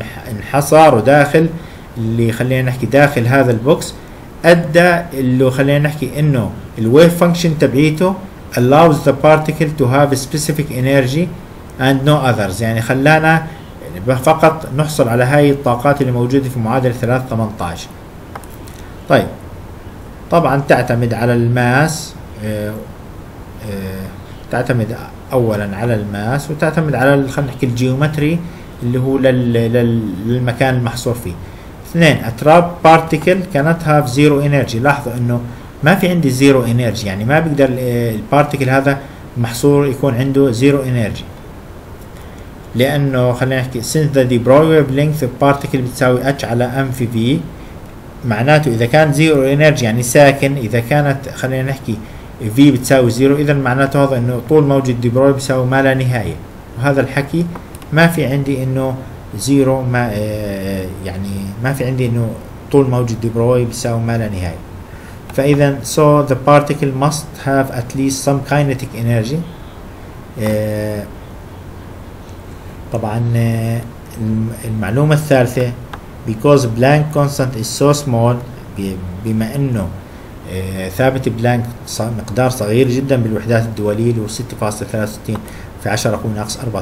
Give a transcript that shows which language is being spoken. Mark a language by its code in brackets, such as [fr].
[ar] انحصار وداخل اللي خلينا نحكي داخل هذا البوكس ادى اللي خلينا نحكي انه الويف فانكشن تبعيته [en] allows the particle to have specific energy and no others، [ar] يعني خلانا فقط نحصل على هاي الطاقات اللي موجودة في معادلة 3.18. طيب طبعا تعتمد على الماس تعتمد أولا على الماس، وتعتمد على خلينا نحكي الجيومتري اللي هو للمكان المحصور فيه. [en] اثنين، a trapped particle cannot have zero energy. [ar] لاحظوا انه ما في عندي zero energy، يعني ما بقدر البارتيكل هذا محصور يكون عنده zero energy، لانه خلينا نحكي [en] since the de Broglie length of particle [ar] بتساوي h على m في v، معناته اذا كان zero energy يعني ساكن، اذا كانت خلينا نحكي v بتساوي zero، اذا معناته هذا انه طول موجة de Broglie بيساوي ما لا نهاية، وهذا الحكي ما في عندي انه زيرو، ما يعني ما في عندي انه طول موجة دي بروي بيساوي ما لا نهاية. [en] فاذا so the particle must have at least some kinetic energy. [ar] طبعا المعلومة الثالثة، [en] because Planck constant is so small، [ar] بما انه ثابت بلانك مقدار صغير جدا بالوحدات الدولية اللي هو 6.63 في 10 اقوى ناقص 34،